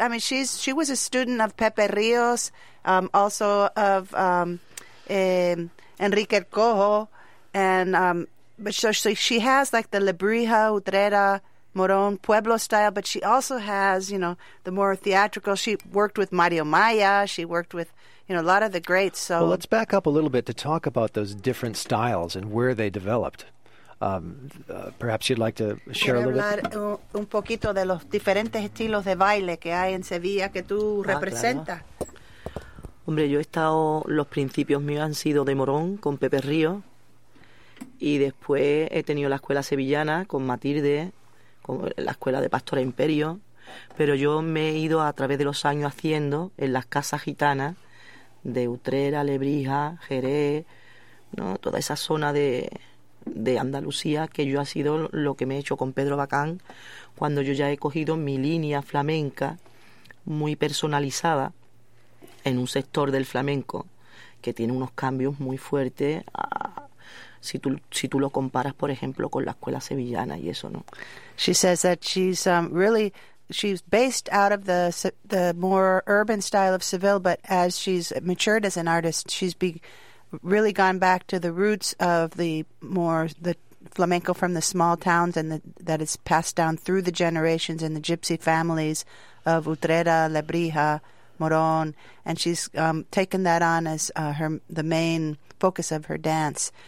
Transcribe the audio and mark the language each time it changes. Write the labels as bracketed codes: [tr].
[en] I mean, she was a student of Pepe Rios, also of Enrique El Cojo, and she has like the Lebrija, Utrera, Morón pueblo style, but she also has, you know, the more theatrical. She worked with Mario Maya. She worked with, you know, a lot of the greats. So, well, let's back up a little bit to talk about those different styles and where they developed. Perhaps you'd like to share a little bit. [es] Un poquito de los diferentes estilos de baile que hay en Sevilla que tú representas. Claro. Hombre, yo he estado, los principios míos han sido de Morón con Pepe Río, y después he tenido la escuela sevillana con Matilde, con la escuela de Pastora Imperio, pero yo me he ido a través de los años haciendo en las casas gitanas de Utrera, Lebrija, Jerez, ¿no? Toda esa zona de Andalucía, que yo ha sido lo que me he hecho con Pedro Bacán, cuando yo ya he cogido mi línea flamenca muy personalizada en un sector del flamenco que tiene unos cambios muy fuertes a, si tú lo comparas, por ejemplo, con la escuela sevillana y eso, ¿no? [en] She says that she's really, she's based out of the more urban style of Seville, but as she's matured as an artist, she's really gone back to the roots of the flamenco from the small towns, and that it's passed down through the generations in the gypsy families of Utrera, Lebrija, Morón, and she's taken that on as the main focus of her dance.